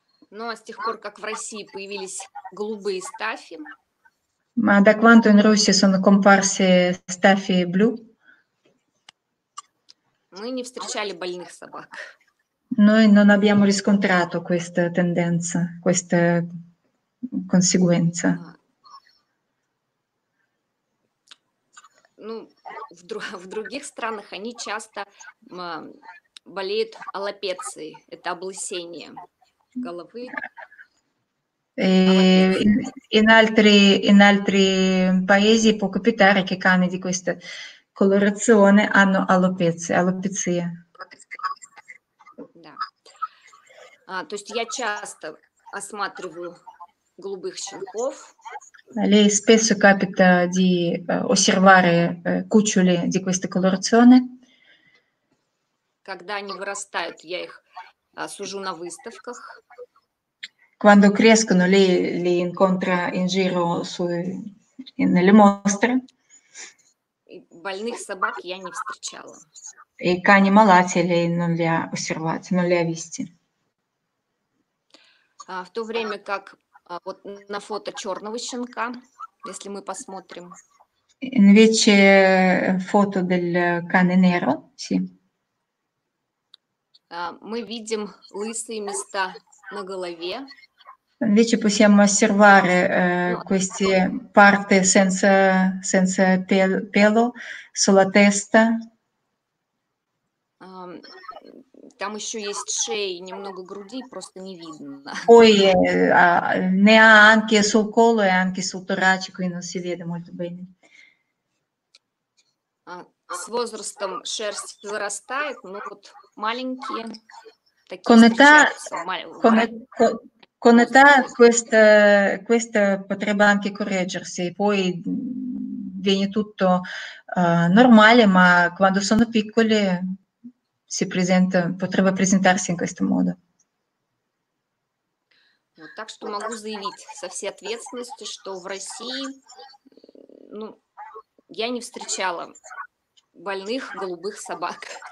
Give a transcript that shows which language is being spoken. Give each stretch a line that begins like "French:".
Russian: Ну, а с тех пор, как в России появились голубые стафи.
Italian: Ma da quanto in Russia sono comparse staffi blu?
Russian: Мы не встречали больных собак.
Italian: Noi non abbiamo riscontrato questa tendenza, questa conseguenza.
Russian: Ну, в других странах они часто болеют алопецией, это облысение головы.
Italian: In altri paesi può capitare che cani di questa colorazione hanno alopecia, alopecia.
Russian: Да. То есть я часто осматриваю голубых щенков.
Italian: Lei spesso capita di osservare cuccioli di questa colorazione?
Russian: Когда они вырастают, я их сужу на выставках.
Italian: Quando crescono, lei li incontra in giro nelle mostre.
Russian: Больных собак я не встречала.
Italian: E cani malati lei non li ha osservati, non li ha visti.
Russian: В то время как вот на фото черного щенка, если мы посмотрим.
Italian: Invece фото del cane nero, sì.
Russian: Мы видим лысые места на голове.
Italian: Invece possiamo osservare queste parti senza pelo sulla testa.
Russian: Там еще есть шея, немного груди, просто не видно.
Italian: Poi ne ha anche sul collo e anche sul torace, quindi non si vede molto bene.
Russian: С возрастом шерсть вырастает, но вот маленькие такие
Italian: con età questa potrebbe anche correggersi, poi viene tutto normale, ma quando sono piccoli si presenta, potrebbe presentarsi in questo modo.
Russian: Так что могу заявить со всей ответственностью, что в России я не встречала больных голубых собак.